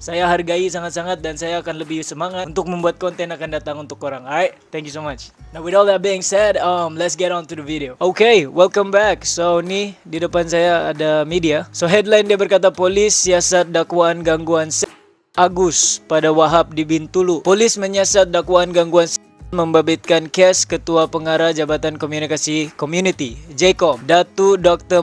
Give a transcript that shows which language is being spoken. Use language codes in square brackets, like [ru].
[ms] Saya hargai sangat-sangat dan saya akan lebih semangat untuk membuat konten akan datang untuk korang. [en] Alright, thank you so much. Now with all that being said, let's get on to the video. Okay, welcome back. [ms] So ni di depan saya ada media. So headline dia berkata polis siasat dakwaan gangguan Agus pada Wahab di Bintulu. Polis menyiasat dakwaan gangguan membabitkan kes Ketua Pengarah Jabatan Komunikasi Community JCOM Datu Dr.